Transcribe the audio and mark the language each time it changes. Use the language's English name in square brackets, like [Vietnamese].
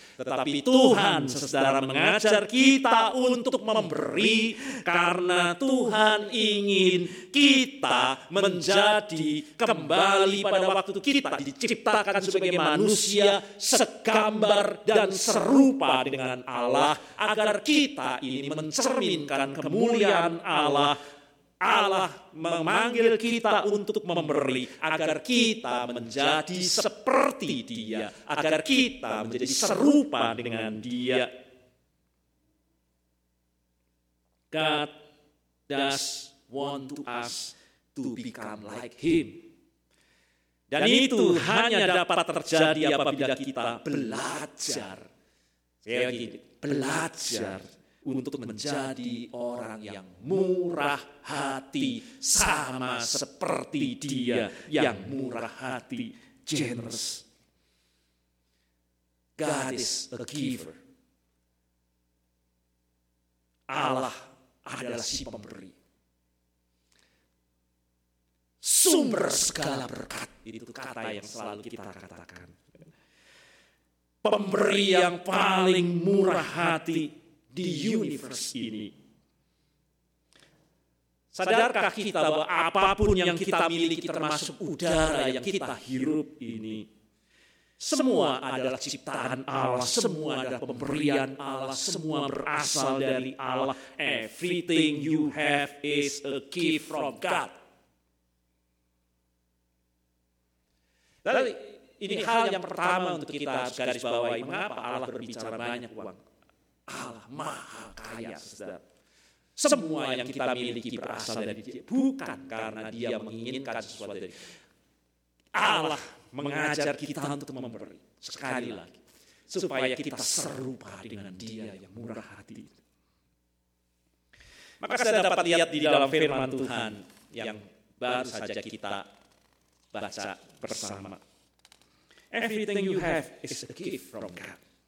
[Indonesian] Tetapi Tuhan, saudara, mengajar kita untuk memberi karena Tuhan ingin kita menjadi kembali pada waktu kita diciptakan sebagai manusia segambar dan serupa dengan Allah, agar kita ini mencerminkan kemuliaan Allah. Allah memanggil kita untuk memberi agar kita menjadi seperti dia, agar kita menjadi serupa dengan dia. [English] God does want us to become like him. [Indonesian] Dan itu hanya dapat terjadi apabila kita belajar. Saya ingin belajar untuk menjadi orang yang murah hati sama seperti dia yang murah hati, generous. [English] God is a giver. [Indonesian] Allah adalah si pemberi. Sumber segala berkat, itu kata yang selalu kita katakan. Pemberi yang paling murah hati di universe ini. Sadarkah kita bahwa apapun yang kita miliki, termasuk udara yang kita hirup ini, semua adalah ciptaan Allah, semua adalah pemberian Allah, semua berasal dari Allah. [English] Everything you have is a gift from God. [Indonesian] Lalu ini hal yang pertama untuk kita garis bawahi, mengapa Allah berbicara banyak uang. Allah maha kaya, saudara. Semua yang kita miliki berasal dari dia, bukan karena dia menginginkan sesuatu dari Allah mengajar kita untuk memberi, sekali lagi, supaya kita serupa dengan dia yang murah hati. Maka saya dapat lihat di dalam firman Tuhan yang baru saja kita baca bersama. [English] Everything you have is a gift from God.